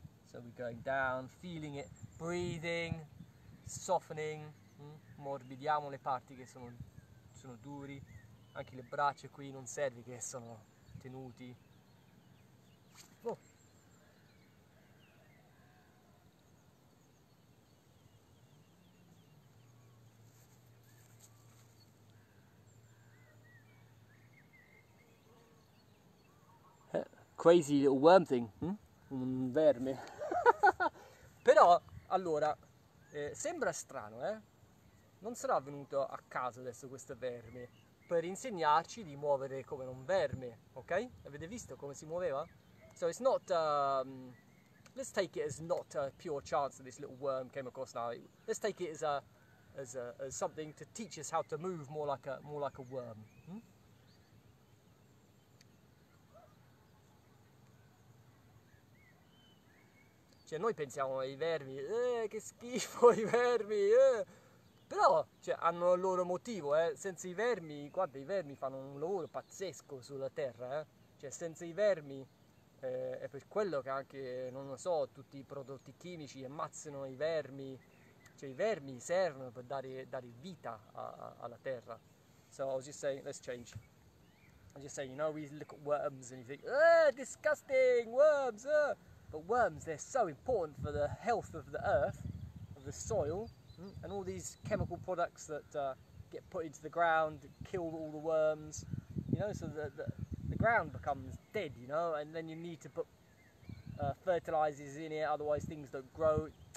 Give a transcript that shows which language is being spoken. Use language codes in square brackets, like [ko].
[en] So we're going down, feeling it, breathing, softening. [it] Morbidiamo le parti che sono duri. Anche le braccia qui non serve che sono tenuti. Oh. [en] Crazy little worm thing, [it] Un verme. Però, allora, sembra strano, eh? Non sarà venuto a caso adesso questo verme per insegnarci di muovere come un verme, ok? Avete visto come si muoveva? [en] So it's not, let's take it as not a pure chance that this little worm came across now. Let's take it as something to teach us how to move more like a worm. [it] Cioè noi pensiamo ai vermi, che schifo i vermi, Però, cioè, hanno il loro motivo, eh. Senza i vermi, guarda, i vermi fanno un lavoro pazzesco sulla terra, eh. Cioè, senza i vermi, è per quello che anche, non lo so, tutti i prodotti chimici ammazzano i vermi. Cioè, i vermi servono per dare vita alla terra. [en] So, I'll just say, let's change. I'll just say, we look at worms and you think, disgusting, worms, But worms, they're so important for the health of the earth, of the soil. And all these chemical products that get put into the ground kill all the worms, so the ground becomes dead, and then you need to put fertilizers in it, otherwise things don't grow.